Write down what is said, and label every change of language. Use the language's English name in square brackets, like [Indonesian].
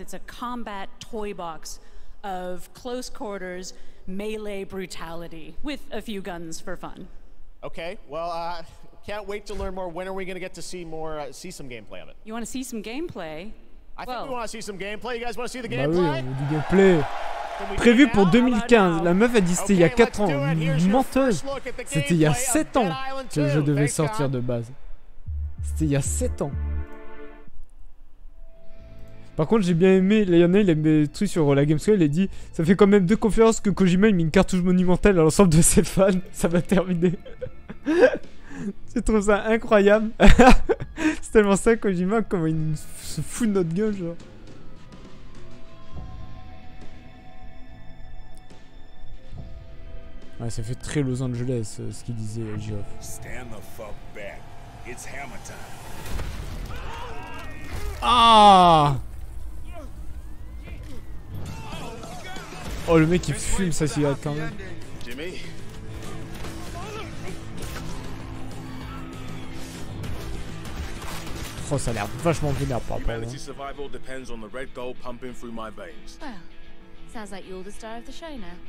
[English] It's a combat toy box of close quarters, melee brutality, with a few guns for fun. Okay, well, can't wait to learn more. When are we going to get to see more, see some gameplay of it? You want to see some gameplay? I think we want to see some gameplay. You guys want to see the gameplay? [French] Bah oui, du gameplay. Prévu pour 2015. La meuf a dit c'était il y a 4 ans. Menteuse. C'était il y a 7 ans que le jeu devait sortir de base. C'était il y a 7 ans. Par contre, j'ai bien aimé. Il y en a, il a mis des trucs sur la Gamescom. Il a dit ça fait quand même deux conférences que Kojima a mis une cartouche monumentale à l'ensemble de ses fans. Ça va terminer. Tu trouves ça incroyable? C'est tellement ça, Kojima, comment il se fout de notre gueule, genre. Ouais, ça fait très Los Angeles, ce qu'il disait, Geoff. [English] Stand the fuck back. It's hammer time. [French] Ah! Oh, le mec, il fume sa cigarette quand même. Jimmy? Oh, ça a l'air vachement vénère par rapport à moi. [English] Survival depends on the red gold pumping through my veins. Well, sounds like you're the star of the show now.